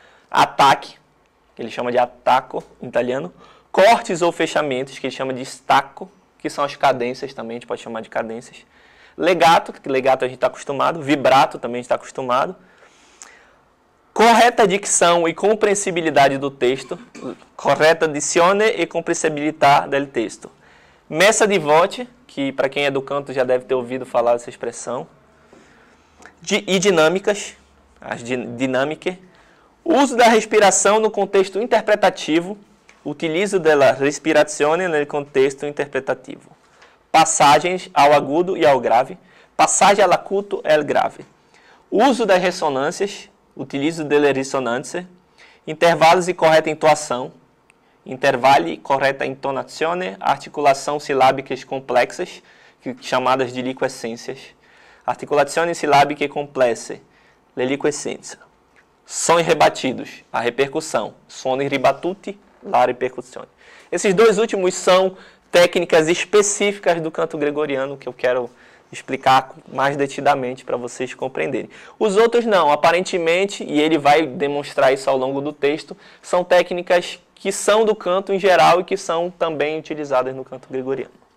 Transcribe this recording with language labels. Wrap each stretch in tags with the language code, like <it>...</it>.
<pt>Ataque, que ele chama de attacco em italiano. Cortes ou fechamentos, que ele chama de stacco, que são as cadências também, a gente pode chamar de cadências. Legato, que legato a gente está acostumado. Vibrato também a gente está acostumado. Correta dicção e compreensibilidade do texto.</pt> <it>Correta dizione e compreensibilità del texto.</it> <pt>Messa di voce, que para quem é do canto já deve ter ouvido falar essa expressão. E dinâmicas, as dinâmicas. Uso da respiração no contexto interpretativo.</pt> <it>Utilizo della respirazione nel contexto interpretativo.</it> <pt>Passagens ao agudo e ao grave.</pt> <it>Passagem all'acuto e al grave.</it> <pt>Uso das ressonâncias.</pt> <it>Utilizo delle risonanze.</it> <pt>Intervalos e correta entoação.</pt> <it>Intervalli, correta intonazione.</it> <pt>Articulação silábicas complexas, chamadas de liquescências.</pt> <it>Articulazione silabiche complesse, le liquescenze.</it> <pt>Sons rebatidos, a repercussão.</pt> <it>Suoni ribattuti, la repercussione.</it> <pt>Esses dois últimos são técnicas específicas do canto gregoriano que eu quero explicar mais detidamente para vocês compreenderem. Os outros não, aparentemente, e ele vai demonstrar isso ao longo do texto, são técnicas que são do canto em geral e que são também utilizadas no canto gregoriano.</pt>